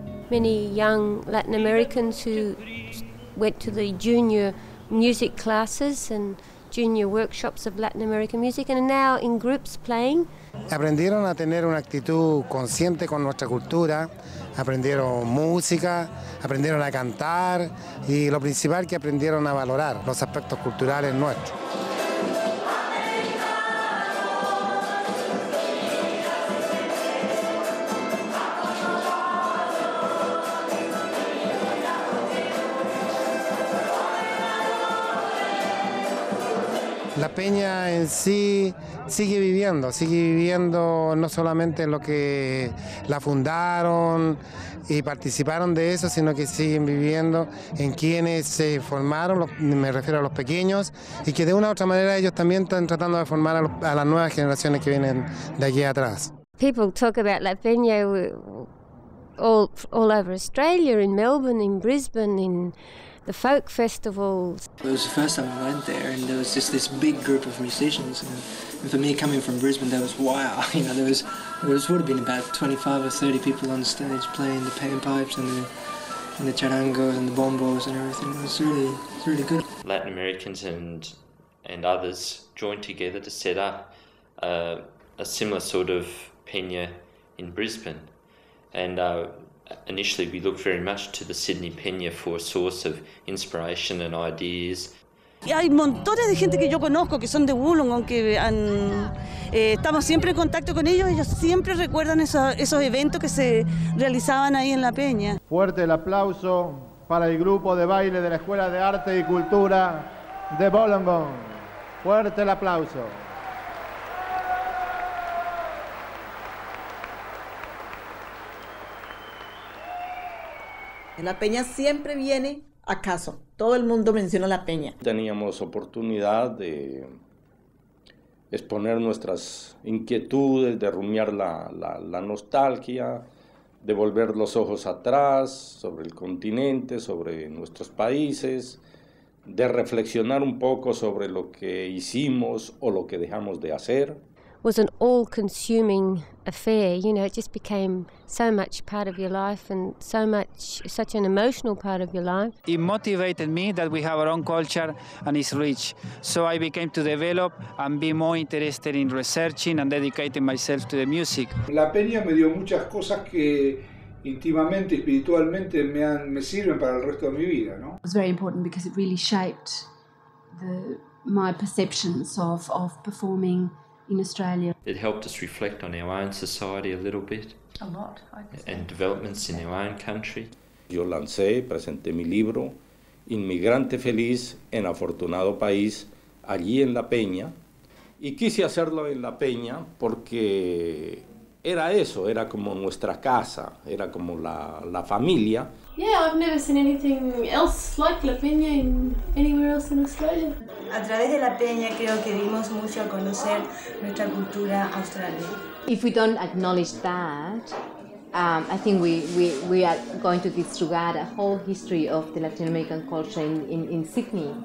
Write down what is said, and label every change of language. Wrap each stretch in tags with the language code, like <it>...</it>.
<en>Many young Latin Americans who went to the junior music classes and junior workshops of Latin American music and are now in groups playing.</en> <es>Aprendieron a tener una actitud consciente con nuestra cultura, aprendieron música, aprendieron a cantar y lo principal que aprendieron a valorar los aspectos culturales nuestros. La Peña en sí sigue viviendo no solamente lo que la fundaron y participaron de eso, sino que siguen viviendo en quienes se formaron, me refiero a los pequeños, y que de una u otra manera ellos también están tratando de formar a las nuevas generaciones que vienen de aquí atrás.</es> <en>People talk about La Peña all over Australia, in Melbourne, in Brisbane, in the folk festivals. It was the first time I went there, and there was just this big group of musicians. And for me, coming from Brisbane, that was wild. You know, there would have been about 25 or 30 people on stage playing the panpipes and the charangos and the bombos and everything. It was really good. Latin Americans and others joined together to set up a similar sort of peña in Brisbane, and initially, we looked very much to the Sydney Peña for a source of inspiration and ideas.</en> <es>Hay montones de gente que yo conozco que son de Wollongong, que estamos siempre en contacto con ellos. Ellos siempre recuerdan esos eventos que se realizaban ahí en la Peña. Fuerte el aplauso para el grupo de baile de la Escuela de Arte y Cultura de Wollongong. Fuerte el aplauso. La Peña siempre viene a caso. Todo el mundo menciona La Peña. Teníamos oportunidad de exponer nuestras inquietudes, de rumiar la nostalgia, de volver los ojos atrás sobre el continente, sobre nuestros países, de reflexionar un poco sobre lo que hicimos o lo que dejamos de hacer.</es> <en>Was an all-consuming affair, you know, it just became so much part of your life and such an emotional part of your life. It motivated me that we have our own culture and it's rich. So I became to develop and be more interested in researching and dedicating myself to the music.</en> <es>La Peña me dio muchas cosas que íntimamente, espiritualmente, me sirven para el resto de mi vida, ¿no?</es> <en>It was very important because it really shaped my perceptions of performing in Australia. It helped us reflect on our own society a little bit. A lot, I guess. And developments in our own country.</en> <es>Yo lancé, presenté mi libro, Inmigrante Feliz en Afortunado País, allí en La Peña. Y quise hacerlo en La Peña porque era eso, era como nuestra casa, era como la familia.</es> <en>Yeah, I've never seen anything else like La Peña in anywhere else in Australia.</en> <es>A través de La Peña creo que dimos mucho a conocer nuestra cultura australiana.</es> <en>If we don't acknowledge that, I think we are going to disregard a whole history of the Latin American culture in Sydney.</en>